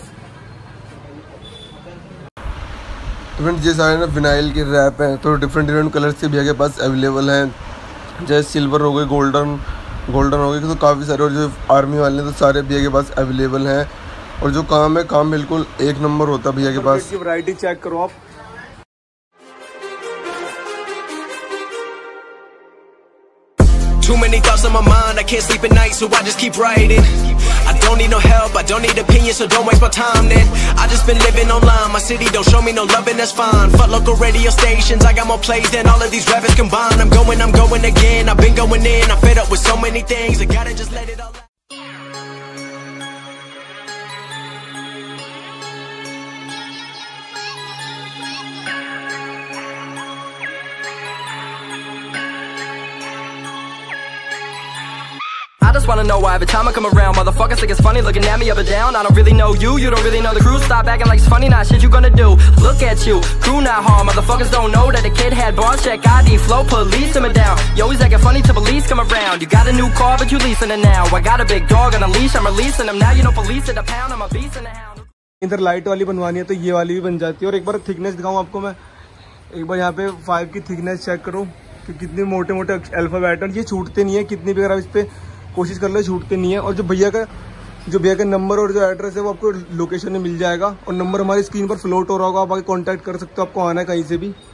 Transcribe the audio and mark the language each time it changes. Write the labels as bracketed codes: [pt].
[hi] तो फ्रेंड, ये सारे ना विनाइल के रैप हैं, तो डिफरेंट डिफरेंट कलर से भैया के पास अवेलेबल हैं, जैसे सिल्वर हो गए, गोल्डन हो गए, तो काफ़ी सारे। और जो आर्मी वाले हैं तो सारे भैया के पास अवेलेबल हैं। और जो काम है, काम बिल्कुल एक नंबर होता है भैया के पास। वैरायटी चेक करो आप, [en] too many thoughts on my mind, I can't sleep at night, so I just keep writing. I don't need no help, I don't need opinions, so don't waste my time then. I just been living online, my city don't show me no love and that's fine. Fuck local radio stations, I got more plays than all of these rappers combined. I'm going again, I've been going in, I'm fed up with so many things, I gotta just let it all out. Wanna know why every time I come around motherfuckers think it's funny looking at me up and down. I don't really know you, you don't really know the crew. Stop acting like it's funny, not shit you gonna do. Look at you, crew not hard. Motherfuckers don't know that the kid had bars. Check ID, flow, police him down. Yo, he's acting funny till police come around. You got a new car but you leasing it now. I got a big dog on a leash, I'm releasing him now. You know police in a pound, I'm a beast in a hound. [hi] इधर light वाली बनवानी है तो ये वाली भी बन जाती है। और एक बार थिकनेस दिखाऊं आपको मैं, एक बार यहाँ पे 5 की थिकनेस चेक करो कि कितने मोटे मोटे अल्फाबेट हैं, ये छूटते नहीं है, कितने भी अगर आप इस पे कोशिश कर ले छूटते नहीं है। और जो भैया का नंबर और जो एड्रेस है वो आपको लोकेशन में मिल जाएगा, और नंबर हमारी स्क्रीन पर फ्लोट हो रहा होगा, आप आगे कॉन्टैक्ट कर सकते हो, आपको आना है कहीं से भी।